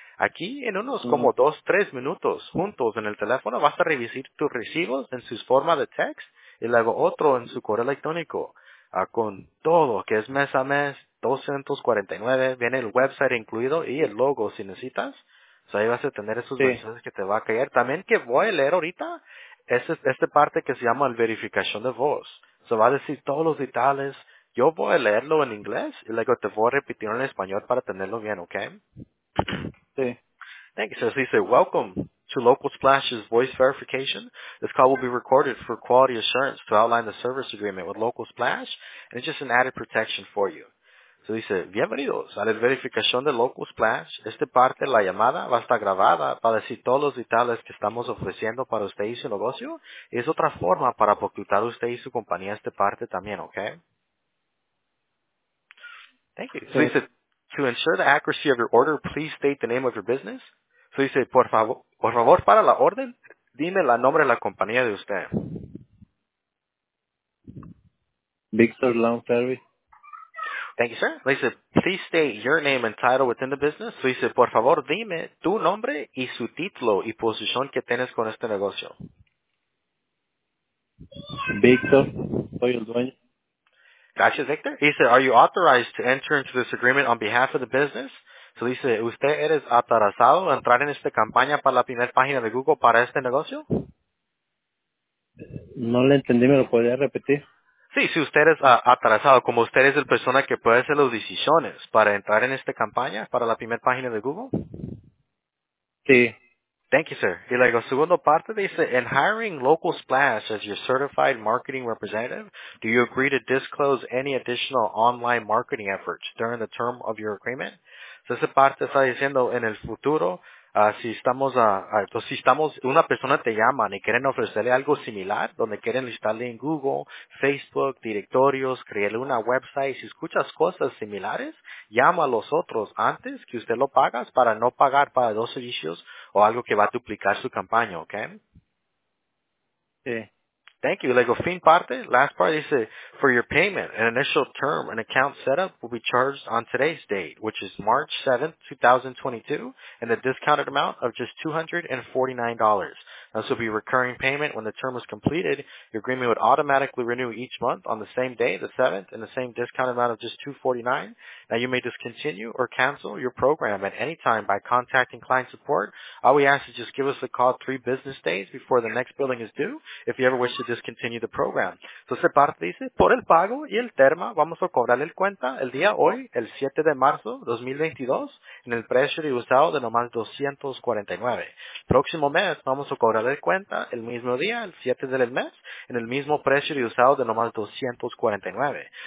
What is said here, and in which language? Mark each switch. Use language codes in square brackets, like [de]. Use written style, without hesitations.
[es] Aquí en unos como 2-3 minutos juntos en el teléfono vas a revisar tus recibos en sus formas de text y luego otro en su correo electrónico con todo que es mes a mes, 249, viene el website incluido y el logo si necesitas. O sea, ahí vas a tener esos mensajes que te va a caer. También que voy a leer ahorita es esta parte que se llama la verificación de voz. O sea, va a decir todos los detalles. Yo voy a leerlo en inglés y luego te voy a repetir en español para tenerlo bien, ¿ok? Sí. [en] Thank you. So they say, welcome to Local Splash's voice verification. This call will be recorded for quality assurance to outline the service agreement with Local Splash, and it's just an added protection for you. So they say, [es] bienvenidos a la verificación de Local Splash. Esta parte, la llamada, va a estar grabada para decir todos los detalles que estamos ofreciendo para usted y su negocio. Y es otra forma para facultar usted y su compañía esta parte también, okay? [en] Thank you. So they say, to ensure the accuracy of your order, please state the name of your business. So you say, [es] por favor, para la orden, dime la nombre de la compañía de usted. [en] Victor Lawn Service. Thank you, sir. So you say, please state your name and title within the business. So you say, [es] por favor, dime tu nombre y su título y posición que tienes con este negocio. Victor, soy el dueño. [en] Gotcha, Victor. He said, are you authorized to enter into this agreement on behalf of the business? So he said, [es] ¿usted eres autorizado a entrar en esta campaña para la primera página de Google para este negocio? No le entendí, ¿me lo podría repetir? Sí, si usted es autorizado, como usted es la persona que puede hacer las decisiones para entrar en esta campaña para la primera página de Google. Sí. [en] Thank you, sir. [es] Y luego, segundo parte dice, [en] in hiring Local Splash as your certified marketing representative, do you agree to disclose any additional online marketing efforts during the term of your agreement? [es] So, esa parte está diciendo, en el futuro, si estamos, una persona te llama y quieren ofrecerle algo similar, donde quieren listarle en Google, Facebook, directorios, crearle una website, si escuchas cosas similares, llama a los otros antes que usted lo pagas para no pagar para dos servicios o algo que va a duplicar su campaña, ¿ok? Sí. [en] Thank you. [es] Luego, fin parte, [en] last part, dice, for your payment, an initial term, an account setup will be charged on today's date, which is March 7th, 2022, and the discounted amount of just $249. This will be a recurring payment when the term is completed. Your agreement would automatically renew each month on the same day, the 7th, and the same discounted amount of just $249. Now, you may discontinue or cancel your program at any time by contacting client support. All we ask is just give us a call 3 business days before the next billing is due. If you ever wish to discontinue the program. [es] Entonces, parte dice, por el pago y el terma, vamos a cobrarle el cuenta el día hoy, el 7 de marzo 2022, en el precio de usado de nomás 249. Próximo mes, vamos a cobrarle el cuenta el mismo día, el 7 del mes, en el mismo precio de usado de nomás 249.